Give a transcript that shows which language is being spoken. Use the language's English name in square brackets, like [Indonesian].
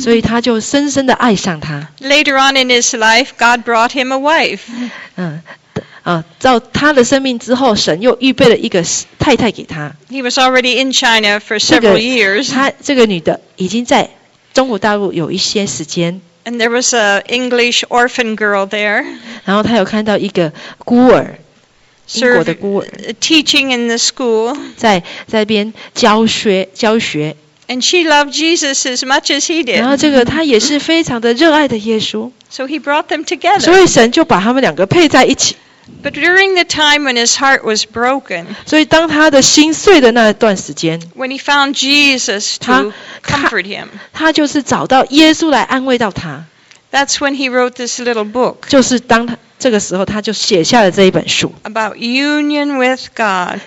[Chinese] 所以他就深深地爱上他。 [English] Later on in his life, God brought him a wife. [Chinese] 到他的生命之后，神又预备了一个太太给他。 [English] He was already in China for several years. [Chinese] 这个女的已经在中国大陆有一些时间。 [English] And there was an English orphan girl there. [Chinese] 然后他有看到一个孤儿。 [English] Teaching in the school. [Chinese] 在那边教学教学。 [English] And she loved Jesus as much as he did. [Chinese] 然后这个他也是非常的热爱的耶稣。 [English] So he brought them together. [Chinese] 所以神就把他们两个配在一起。 [English] But during the time when his heart was broken. [Chinese] 所以当他的心碎的那段时间。 [English] When he found Jesus to comfort him. [Chinese] 他就是找到耶稣来安慰到他。 [English] That's when he wrote this little book. [Chinese] 就是当他。这个时候他就写下了这一本书 [English] About union with God